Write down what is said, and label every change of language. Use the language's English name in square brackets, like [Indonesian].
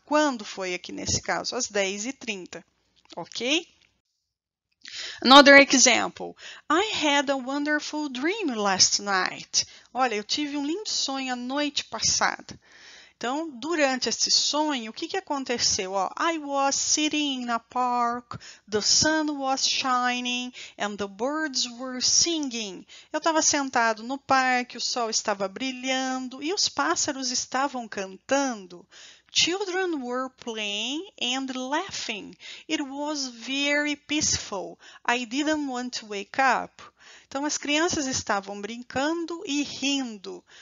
[Portuguese] Quando foi aqui nesse caso? Às 10:30, ok? [English] Another example. I had a wonderful dream last night. [Portuguese] Olha, eu tive um lindo sonho a noite passada. Então, durante esse sonho, o que que aconteceu? [English] Ó, I was sitting in a park, the sun was shining and the birds were singing. [Portuguese] Eu estava sentado no parque, o sol estava brilhando e os pássaros estavam cantando. [English] Children were playing and laughing. It was very peaceful. I didn't want to wake up. [Portuguese] Então, as crianças estavam brincando e rindo.